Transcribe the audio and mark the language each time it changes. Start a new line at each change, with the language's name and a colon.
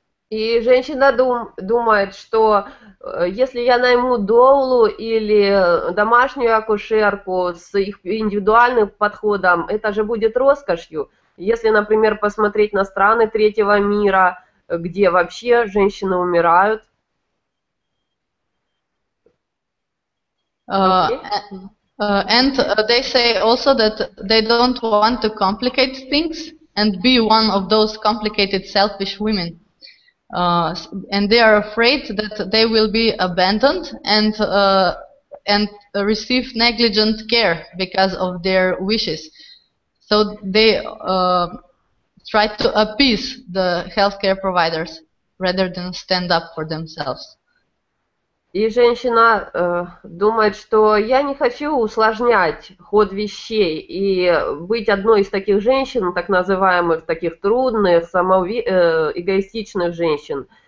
Russian: И женщина думает, что если я найму доулу или домашнюю акушерку с их индивидуальным подходом, это же будет роскошью. Если, например, посмотреть на страны третьего мира, где вообще женщины умирают.
English: And they say also that they don't want to complicate things and be one of those complicated selfish women. And they are afraid that they will be abandoned and receive negligent care because of their wishes. So they try to appease the healthcare providers rather than stand up for themselves.
Russian: И женщина думает, что я не хочу усложнять ход вещей и быть одной из таких женщин, так называемых, таких трудных, эгоистичных женщин.